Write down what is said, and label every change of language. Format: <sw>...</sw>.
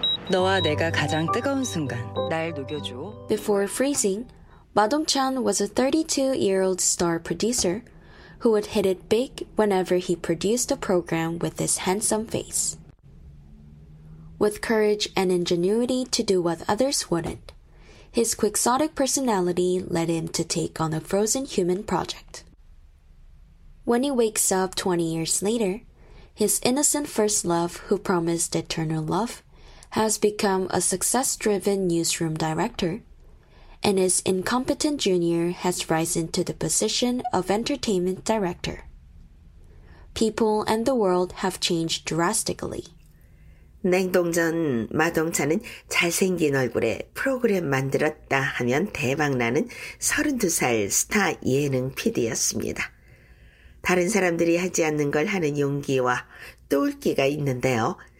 <ko>너와 내가 가장 뜨거운 순간 날 녹여줘.</ko> <en>Before freezing, Ma Dong-chan was a 32-year-old star producer who would hit it big whenever he produced a program with his handsome face. With courage and ingenuity to do what others wouldn't, his quixotic personality led him to take on a frozen human project. When he wakes up 20 years later, his innocent first love, who promised eternal love, has become a success-driven newsroom director, and his incompetent junior has risen to the position of entertainment director. People and the world have changed drastically.</en> <ko>냉동 전 마동찬은 잘생긴 얼굴에 프로그램 만들었다 하면 대박나는 32살 스타 예능 PD였습니다. 다른 사람들이 하지 않는 걸 하는 용기와 똘끼가 있는데요.</ko>